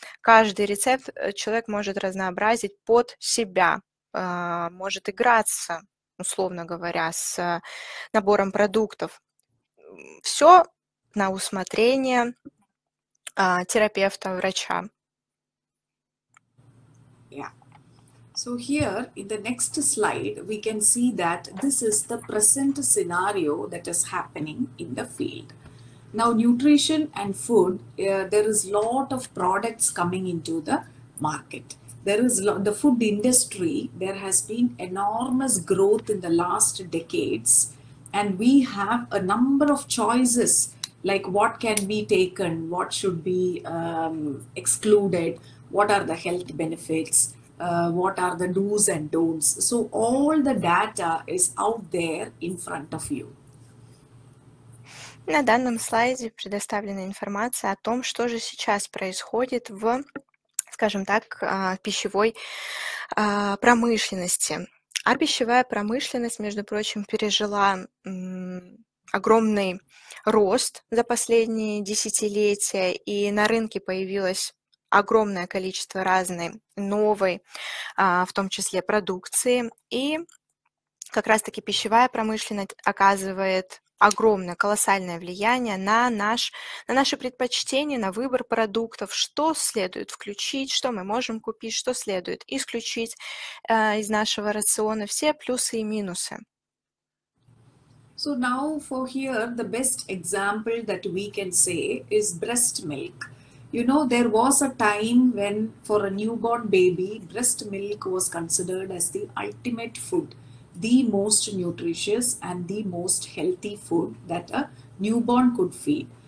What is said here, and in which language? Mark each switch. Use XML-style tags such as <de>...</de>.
<ru>Каждый рецепт человек может разнообразить под себя, может играться, условно говоря, с набором продуктов. Все на усмотрение терапевта, врача. Yeah.</ru> <en>So here in the next slide, we can see that this is the present scenario that is happening in the field. Now, nutrition and food, there is a lot of products coming into the market. There is the food industry, there has been enormous growth in the last decades, and we have a number of choices. Like what can be taken, what should be excluded, what are the health benefits, what are the do's and don'ts. So all the data is out there in front of you.</en> <ru>На данном слайде предоставлена информация о том, что же сейчас происходит в, скажем так, пищевой промышленности. А пищевая промышленность, между прочим, пережила огромный рост за последние десятилетия, и на рынке появилось огромное количество разной новой, в том числе, продукции. И как раз-таки пищевая промышленность оказывает огромное, колоссальное влияние на наши предпочтения, на выбор продуктов, что следует включить, что мы можем купить, что следует исключить из нашего рациона, все плюсы и минусы.</ru> <en>So now for here, the best example that we can say is breast milk. You know, there was a time when for a newborn baby, breast milk was considered as the ultimate food, the most nutritious and the most healthy food that a newborn could feed.</en>